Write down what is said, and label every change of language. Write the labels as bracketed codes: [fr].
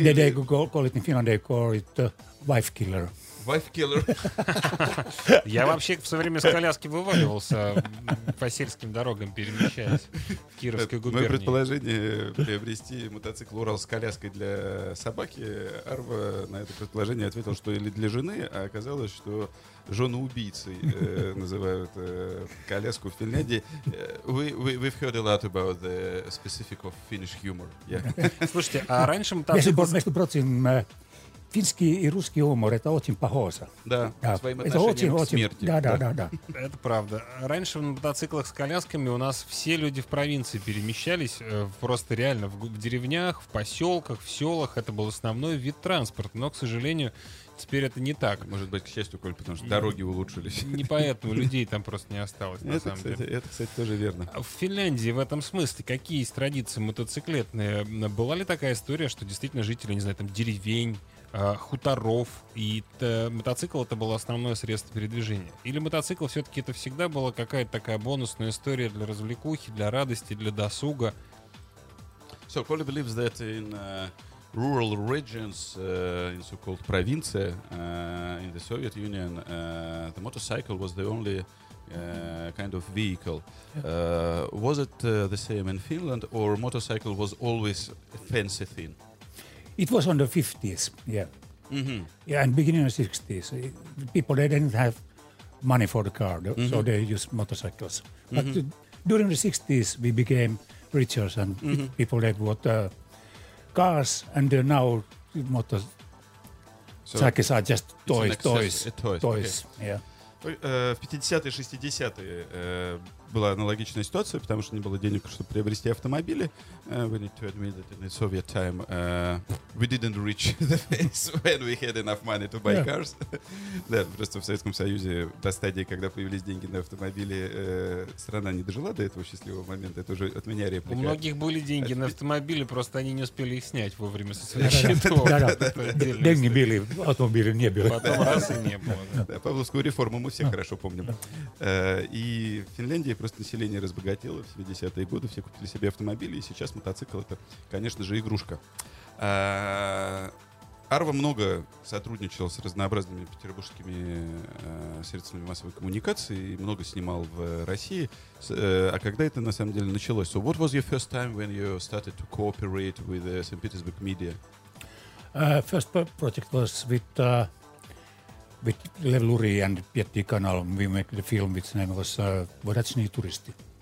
[en] They call it in Finland, they call it wife killer. Wife killer. [ru] Я вообще в свое время с коляски вываливался по сельским дорогам, перемещаясь в Кировской губернии. Мое предположение приобрести мотоцикл Урал с коляской для собаки, Арва на это предположение ответил, что или для жены, а оказалось, что жены убийцы называют коляску в Финляндии. [en] We've heard a lot about the specific of Finnish humor. Yeah. [ru] Слушайте, а раньше мотоцикл... Если бы между прочим... Финский и русский юмор — это очень похоже. Да, да. Своим отношением очень, к смерти. Да. Это правда. Раньше на мотоциклах с колясками у нас все люди в провинции перемещались. Просто реально в деревнях, в поселках, в селах. Это был основной вид транспорта. Но, к сожалению, теперь это не так. Может быть, к счастью, Коль, потому что дороги улучшились. Не поэтому. Людей там просто не осталось, на самом деле. Это, кстати, тоже верно. В Финляндии в этом смысле какие есть традиции мотоциклетные? Была ли такая история, что действительно жители, не знаю, там деревень, хуторов, и мотоцикл это было основное средство передвижения? Или мотоцикл все-таки это всегда была какая-то такая бонусная история для развлекухи, для радости, для досуга? [en] So, Koli believes that in rural regions, in so-called provincia, in the Soviet Union, the motorcycle was the only kind of vehicle. Was it the same in Finland, or motorcycle was always a fancy thing? It was on the 50s, yeah. Mm-hmm. Yeah, and beginning of the 60s, people, they didn't have money for the car, mm-hmm. so they used motorcycles. Mm-hmm. But during the 60s, we became richer, and mm-hmm. people, they bought cars, and now motorcycles so are just toys. Okay. Yeah. [ru] В 50-е, 60-е была аналогичная ситуация, потому что не было денег, чтобы приобрести автомобили. [en] We need to admit that in the Soviet time we didn't reach the face when we had enough money to buy cars. [ru] Да, просто в Советском Союзе до стадии, когда появились деньги на автомобили, страна не дожила до этого счастливого момента. Это уже от меня реплика. У многих были деньги на автомобили, просто они не успели их снять вовремя со своих счетов. Деньги были, автомобили не были. Потом раз и не было. Павловскую реформу мы все хорошо помним. И в Финляндии просто население разбогатело в 70-е годы, все купили себе автомобили, и сейчас мотоцикл — это, конечно же, игрушка. Арва много сотрудничал с разнообразными петербургскими средствами массовой коммуникации, много снимал в России. А когда это на самом деле началось? [en] So what was your first time when you started to cooperate with St. Petersburg Media? First project was with Lev Luri and Pietti Kanal. We made the film, which name was Vodochny Turisti.